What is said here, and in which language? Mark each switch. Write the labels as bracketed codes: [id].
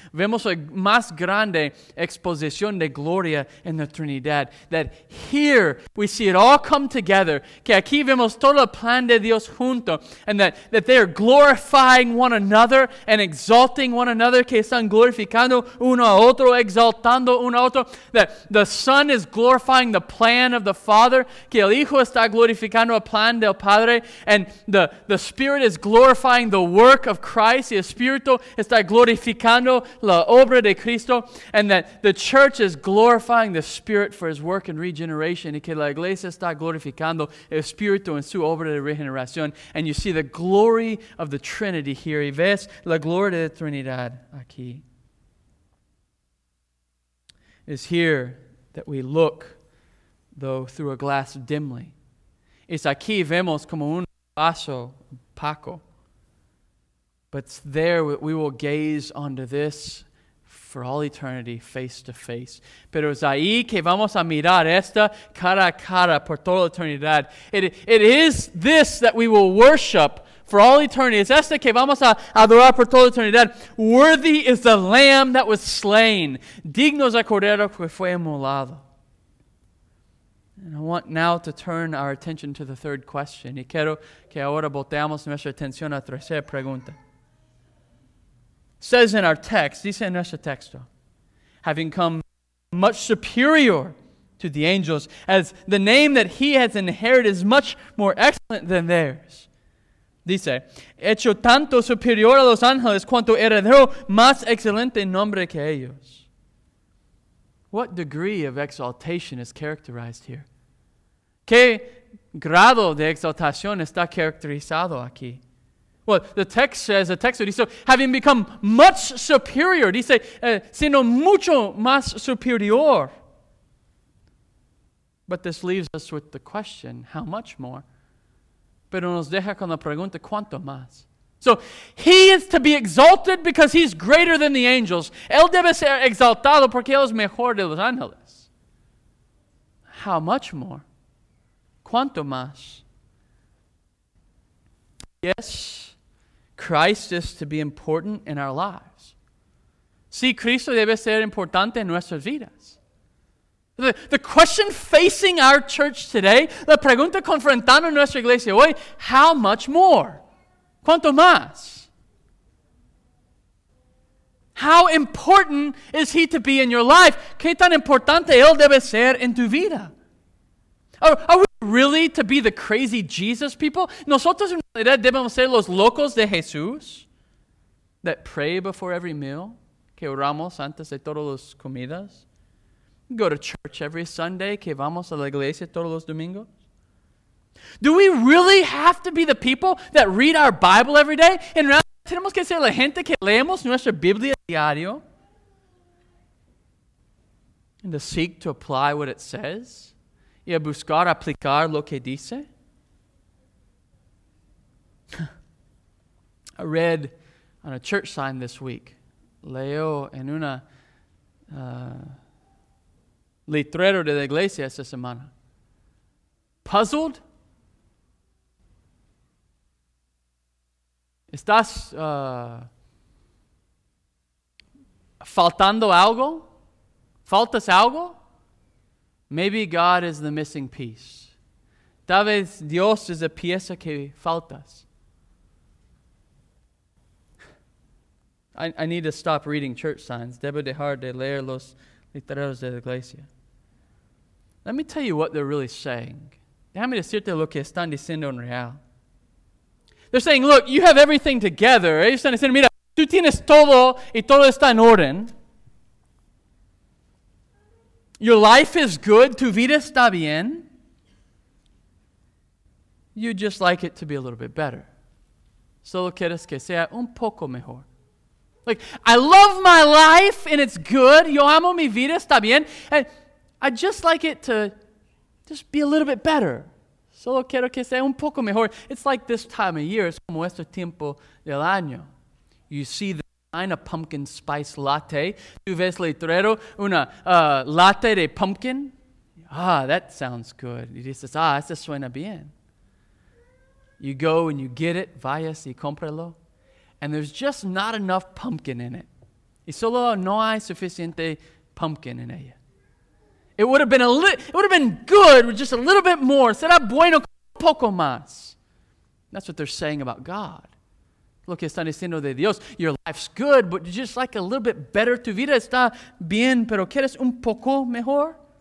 [es] Vemos la más grande exposición de gloria en la Trinidad. [en] That here we see it all come together. [es] Que aquí vemos todo el plan de Dios junto. [en] And that they are glorifying one another and exalting one another. [es] Que están glorificando uno a otro, exaltando uno a otro. [en] that the Son is glorifying the plan of the Father, [es] que el Hijo está glorificando el plan del Padre, [en] and the Spirit is glorifying the work of Christ, [es] y el Espíritu está glorificando la obra de Cristo, [en] and that the church is glorifying the Spirit for His work in regeneration, [es] y que la iglesia está glorificando el Espíritu en su obra de regeneración. [en] And you see the glory of the Trinity here. [es] Y ves la gloria de la Trinidad aquí. [en] Is here that we look, though through a glass dimly. [es] Es aquí vemos como un vaso opaco. [en] But there we will gaze onto this for all eternity, face to face. [es] Pero es ahí que vamos a mirar esta cara a cara por toda eternidad. [en] It is this that we will worship for all eternity. [es] Es este que vamos a adorar por toda eternidad. [en] Worthy is the Lamb that was slain. [es] Digno es el Cordero que fue inmolado. [en] And I want now to turn our attention to the third question. [es] Y quiero que ahora volteamos nuestra atención a la tercera pregunta. [en] Says in our text, [es] dice en nuestro texto, [en] having come much superior to the angels, as the name that he has inherited is much more excellent than theirs. [es] Dice, hecho tanto superior a los ángeles cuanto heredero más excelente nombre que ellos. [en] What degree of exaltation is characterized here? [es] ¿Qué grado de exaltación está caracterizado aquí? [en] Well, the text says, the text says, having become much superior, [es] dice, sino mucho más superior. [en] But this leaves us with the question, how much more? [es] Pero nos deja con la pregunta, ¿cuánto más? [en] So, he is to be exalted because he's greater than the angels. [es] Él debe ser exaltado porque él es mejor de los ángeles. [en] How much more? [es] ¿Cuánto más? [en] Yes, Christ is to be important in our lives. [es] Sí, Cristo debe ser importante en nuestras vidas. [en] The question facing our church today, [es] la pregunta confrontando nuestra iglesia hoy, [en] how much more? [es] ¿Cuánto más? [en] How important is he to be in your life? [es] ¿Qué tan importante él debe ser en tu vida? [en] Are we really to be the crazy Jesus people? [es] ¿Nosotros en realidad debemos ser los locos de Jesús? [en] That pray before every meal, [es] que oramos antes de todas las comidas. [en] Go to church every Sunday, [es] que vamos a la iglesia todos los domingos. [en] Do we really have to be the people that read our Bible every day? [es] En realidad, tenemos que ser la gente que leemos nuestra Biblia diario. [en] And to seek to apply what it says. [es] Y a buscar aplicar lo que dice. [en] I read on a church sign this week. [es] Leo en una Letrero de la iglesia esta semana. [en] Puzzled? [es] ¿Estás faltando algo? ¿Faltas algo? [en] Maybe God is the missing piece. [es] Tal vez Dios es la pieza que faltas. [en] I need to stop reading church signs. [es] Debo dejar de leer los letreros de la iglesia. [en] Let me tell you what they're really saying. [es] Déjame decirte lo que están diciendo en real. [en] They're saying, look, you have everything together. [es] Ellos están diciendo, mira, tú tienes todo y todo está en orden. [en] Your life is good. [es] Tu vida está bien. [en] You just like it to be a little bit better. [es] Solo quieres que sea un poco mejor. [en] Like, I love my life and it's good. [es] Yo amo mi vida, está bien. [en] And I just like it to just be a little bit better. [es] Solo quiero que sea un poco mejor. [en] It's like this time of year. [es] Es como este tiempo del año. [en] You see the sign of pumpkin spice latte. [es] Tú ves letrero, una latte de pumpkin. [en] Ah, that sounds good. [es] Y dices, ah, eso suena bien. [en] You go and you get it. [es] Vayas y cómpralo. [en] And there's just not enough pumpkin in it. [es] Y solo no hay suficiente pumpkin en ella. [en] It would have been good with just a little bit more. [es] Será bueno un poco más. [en] That's what they're saying about God. [es] lo que están diciendo de Dios. [en] Your life's good, but you just like a little bit better. [es] Tu vida está bien, pero quieres un poco mejor.